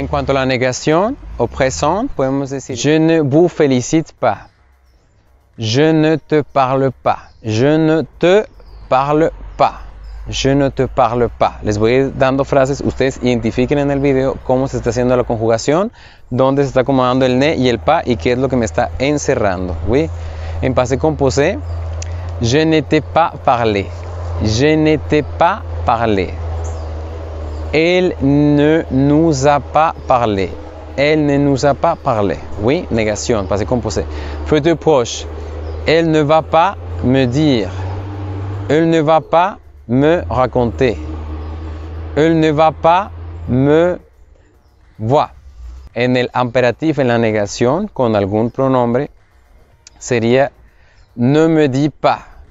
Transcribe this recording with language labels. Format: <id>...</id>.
<es>En cuanto a la negación,</es> <fr>au présent,</fr> <es>podemos decir</es> <fr>je ne vous félicite pas, je ne te parle pas, je ne te parle pas. Je ne te parle pas.</fr> <es>Les voy a ir dando frases. Ustedes identifiquen en el video cómo se está haciendo la conjugación, dónde se está acomodando el ne y el pas y qué es lo que me está encerrando.</es> <fr>Oui. En passé composé, je ne t'ai pas parlé. Je ne t'ai pas parlé. Elle ne nous a pas parlé. Elle ne nous a pas parlé. Oui, négation, passé composé. Futur proche, elle ne va pas me dire. Elle ne va pas me raconter. Elle ne va pas me voir.</fr> <es>En el imperatif, en la negación, con algún pronombre, sería</es> <fr>ne me dis pas.</fr>